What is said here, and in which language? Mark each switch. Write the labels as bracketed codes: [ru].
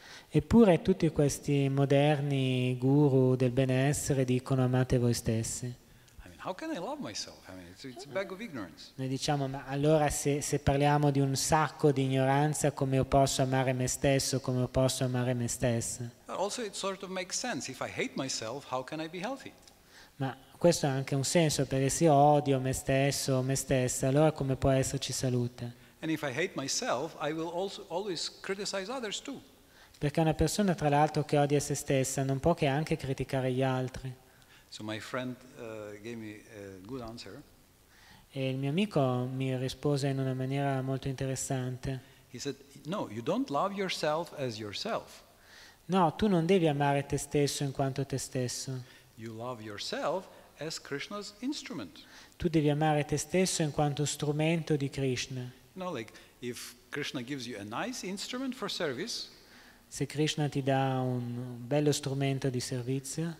[it] Eppure tutti questi moderni guru del benessere dicono amate voi stessi. [en] How can I love myself? I mean, it's a bag of ignorance. [it] Noi diciamo, ma allora se parliamo di un sacco di ignoranza, come io posso amare me stesso, come io posso amare me stessa? [en] Also, it sort of makes sense. If I hate myself, how can I be healthy? [it] Ma questo ha anche un senso, perché se io odio me stesso o me stessa, allora come può esserci salute? [en] And if I hate myself, I will also always criticize others too. [it] Perché una persona, tra l'altro, che odia se stessa, non può che anche criticare gli altri. [en] So my friend gave me a good answer. [it] E il mio amico mi rispose in una maniera molto interessante. [en] He said, "No, you don't love yourself as yourself." [it] No, tu non devi amare te stesso in quanto te stesso. [en] You love yourself as Krishna's instrument. [it] Tu devi amare te stesso in quanto strumento di Krishna. [en] No, like if Krishna gives you a nice instrument for service. [it] Se Krishna ti dà un bello strumento di servizio.